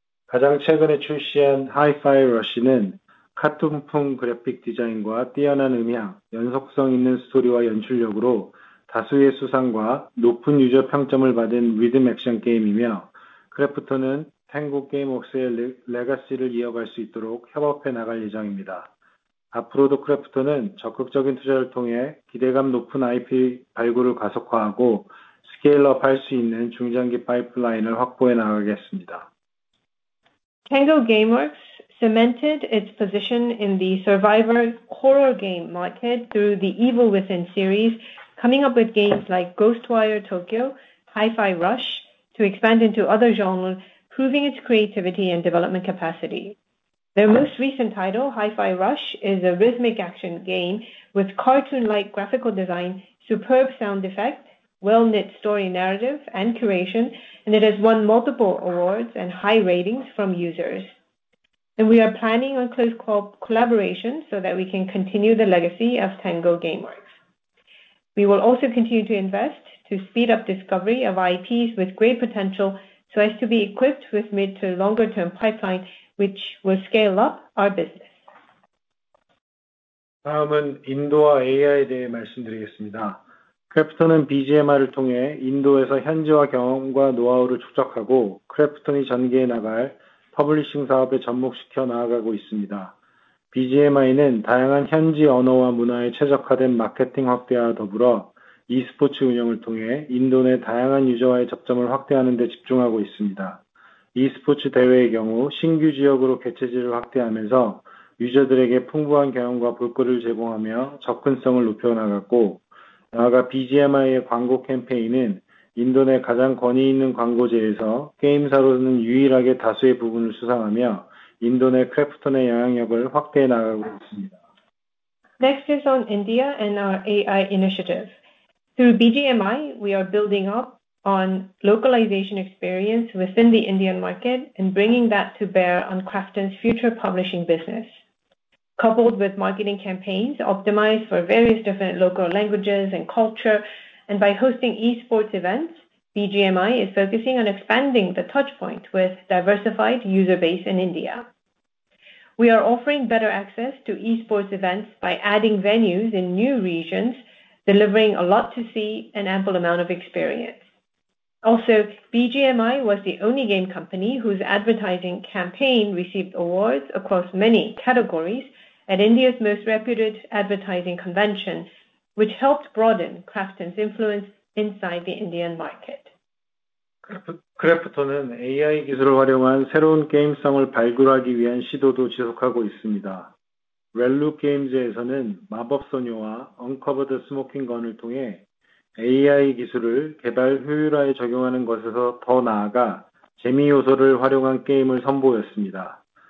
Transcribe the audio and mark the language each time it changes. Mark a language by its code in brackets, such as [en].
[ko] 가장 최근에 출시한 하이파이 러쉬는 카툰풍 그래픽 디자인과 뛰어난 음향, 연속성 있는 스토리와 연출력으로 다수의 수상과 높은 유저 평점을 받은 리듬 액션 게임이며, 크래프톤은 탱고 게임웍스의 레거시를 이어갈 수 있도록 협업해 나갈 예정입니다. 앞으로도 크래프톤은 적극적인 투자를 통해 기대감 높은 IP 발굴을 가속화하고 스케일업할 수 있는 중장기 파이프라인을 확보해 나가겠습니다. [en] Tango Gameworks cemented its position in the survivor horror game market through the Evil Within series, coming up with games like Ghostwire Tokyo, Hi-Fi Rush to expand into other genres, proving its creativity and development capacity. Their most recent title, Hi-Fi Rush, is a rhythmic action game with cartoon-like graphical design, superb sound effect, well-knit story narrative and curation, and it has won multiple awards and high ratings from users. And we are planning on close collaboration so that we can continue the legacy of Tango Gameworks. We will also continue to invest to speed up discovery of IPs with great potential so as to be equipped with mid to longer term pipeline, which will scale up our business. [ko] 다음은 인도와 AI에 대해 말씀드리겠습니다. 크래프톤은 BGMI를 통해 인도에서 현지화 경험과 노하우를 축적하고 크래프톤이 전개해 나갈 퍼블리싱 사업에 접목시켜 나아가고 있습니다. BGMI는 다양한 현지 언어와 문화에 최적화된 마케팅 확대와 더불어 e스포츠 운영을 통해 인도 내 다양한 유저와의 접점을 확대하는 데 집중하고 있습니다. e스포츠 대회의 경우 신규 지역으로 개최지를 확대하면서 유저들에게 풍부한 경험과 볼거리를 제공하며 접근성을 높여나갔고, 나아가 BGMI의 광고 캠페인은 인도 내 가장 권위 있는 광고제에서 게임사로는 유일하게 다수의 부분을 수상하며 인도 내 크래프톤의 영향력을 확대해 나가고 있습니다. [en] Next is on India and our AI initiative. Through BGMI, we are building up on localization experience within the Indian market and bringing that to bear on Krafton's future publishing business. Coupled with marketing campaigns optimized for various different local languages and culture, and by hosting esports events, BGMI is focusing on expanding the touchpoint with diversified user base in India. We are offering better access to esports events by adding venues in new regions, delivering a lot to see and ample amount of experience. Also, BGMI was the only game company whose advertising campaign received awards across many categories at India's most reputed advertising convention, which helped broaden Krafton's influence inside the Indian market. [ko] 크래프톤은 AI 기술을 활용한 새로운 게임성을 발굴하기 위한 시도도 지속하고 있습니다. 렐루 게임즈에서는 마법 소녀와 언커버드 스모킹 건을 통해 AI 기술을 개발 효율화에 적용하는 것에서 더 나아가 재미 요소를 활용한 게임을 선보였습니다.